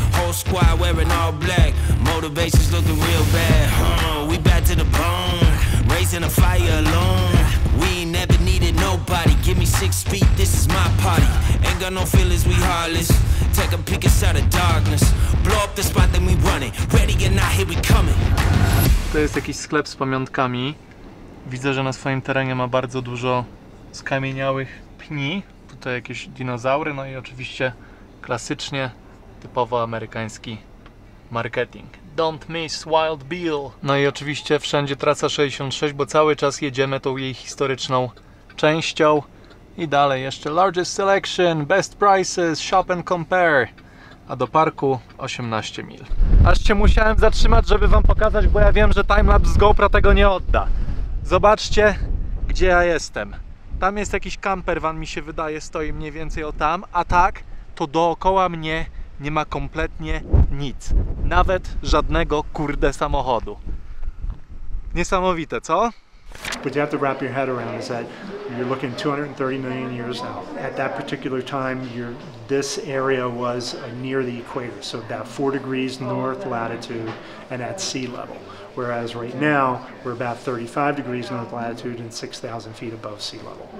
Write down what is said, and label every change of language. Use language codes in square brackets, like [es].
[en] Whole squad wearing all black. Motivation's looking real bad. We back to the bone, raising a fire alone. We ain't never needed nobody. Give me 6 feet, this is my party. Ain't got no feelings, we heartless. Take a peek inside the darkness. Blow up the spot, then we run it. Ready or not, here we coming. [pl] To jest jakiś sklep z pamiątkami. Widzę, że na swoim terenie ma bardzo dużo skamieniałych pni. Tutaj jakieś dinozaury, no i oczywiście klasycznie, typowo amerykański marketing. [en] Don't miss Wild Bill! [pl] No i oczywiście wszędzie trasa 66, bo cały czas jedziemy tą jej historyczną częścią. I dalej jeszcze [en] Largest Selection, Best Prices, Shop and Compare. [pl] A do parku 18 mil. Aż się musiałem zatrzymać, żeby wam pokazać, bo ja wiem, że timelapse z GoPro tego nie odda. Zobaczcie, gdzie ja jestem. Tam jest jakiś camper van, mi się wydaje, stoi mniej więcej o tam, a tak, to dookoła mnie nie ma kompletnie nic. Nawet żadnego, kurde, samochodu. Niesamowite, co? [en] But you have to wrap your head around is that you're looking 230 million years out. At that particular time, this area was near the equator, so about 4 degrees north latitude and at sea level. Whereas right now, we're about 35 degrees north latitude and 6,000 feet above sea level.